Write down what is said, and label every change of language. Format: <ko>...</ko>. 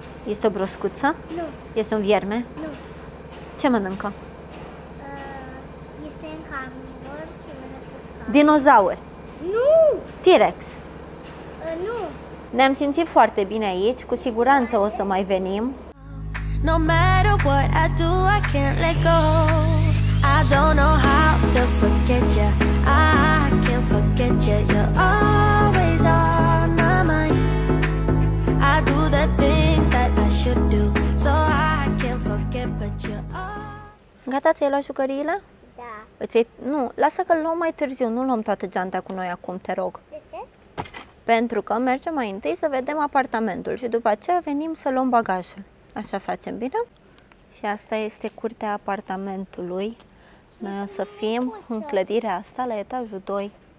<ro>Este o broscuță? Nu. Este un vierme? Nu. Ce mănâncă? Este în carnivor și mănâncă. Dinozauri? Nu! T-Rex? Nu! Ne-am simțit foarte bine aici, cu siguranță o să mai venim.</ro> <en>No matter what I do, I can't let go. I don't know how to forget ya. I can't forget ya. You're always on my mind. I do the things that I should do, so I can't forget, but you're always...</en> <ro>Gata, ți-ai luat jucăriile? Da. Nu, lasă că luăm mai târziu, nu luăm toată geanta cu noi acum, te rog. De ce? Pentru că mergem mai întâi să vedem apartamentul și după aceea venim să luăm bagajul. Așa facem, bine? Și asta este curtea apartamentului. Noi o să fim în clădirea asta, la etajul 2.</ro>